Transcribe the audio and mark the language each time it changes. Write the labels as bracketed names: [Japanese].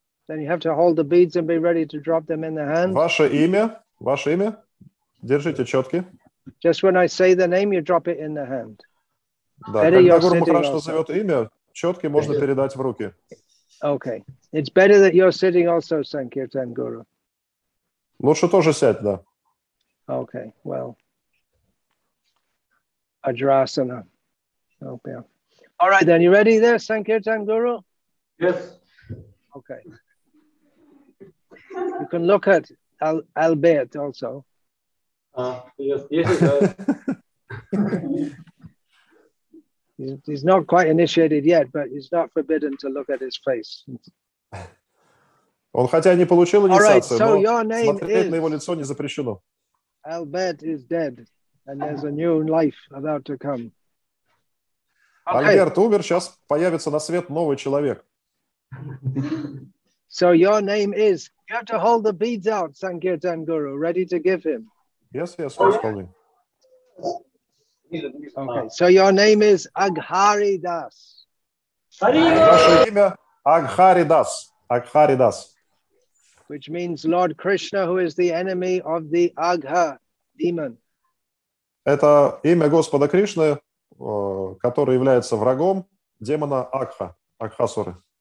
[English] Then you have to hold the beads and be ready to drop them in the hand. [Russian] Ваше имя. Держите четки. [English] Just when I say the name, you drop it in the hand. [Russian] Да, [English] better [Russian] когда Гуру Махарадж назовет имя, четки можно передать в руки. [English] Okay. It's better that you're sitting also, Sankirtan Guru. [Russian] Лучше тоже сядь, да. [English] Okay, well. Ajrasana. Oh, yeah. All right, then. You ready there, Sankirtan Guru? Yes. Okay. You can look at Albert also. Yes. He's not quite initiated yet, but he's not forbidden to look at his face. [Russian] Он хотя не получил инициацию, но смотреть на его лицо не запрещено. [English] Albert is dead, and there's a new life about to come. Okay. [Russian] Альберт умер, сейчас появится на свет новый человек. [English] So your name is, you have to hold the beads out, Sankirtan Guru, ready to give him. Yes, first holding. Okay. So your name is Aghari Das. [Russian] Ваше имя Aghari Das. Aghari Das. [English] Which means Lord Krishna, who is the enemy of the Agha demon. [Russian] Это имя Господа Кришны, который является врагом демона Агха, Агхасуры.